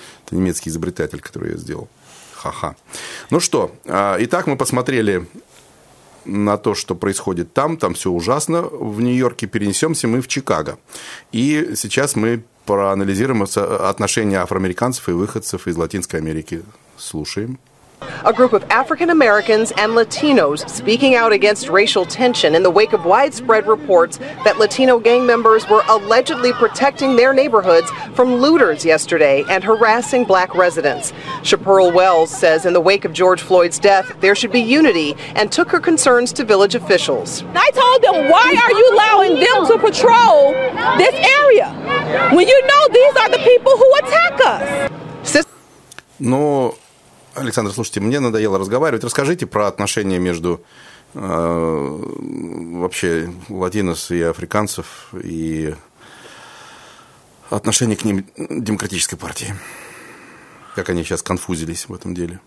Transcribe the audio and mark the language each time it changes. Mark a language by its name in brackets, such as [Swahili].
[Russian] Это немецкий изобретатель, который ее сделал. Ха-ха. Ну что, итак, мы посмотрели на то, что происходит там. Там все ужасно. В Нью-Йорке перенесемся мы в Чикаго. И сейчас мы проанализируем отношения афроамериканцев и выходцев из Латинской Америки. Слушаем. [English] A group of African Americans and Latinos speaking out against racial tension in the wake of widespread reports that Latino gang members were allegedly protecting their neighborhoods from looters yesterday and harassing black residents. Chaparral Wells says in the wake of George Floyd's death, there should be unity and took her concerns to village officials. I told them, why are you allowing them to patrol this area when you know these are the people who attack us? No. [Russian] Александр, слушайте, мне надоело разговаривать. Расскажите про отношения между вообще латинос и африканцев и отношения к ним демократической партии. Как они сейчас конфузились в этом деле.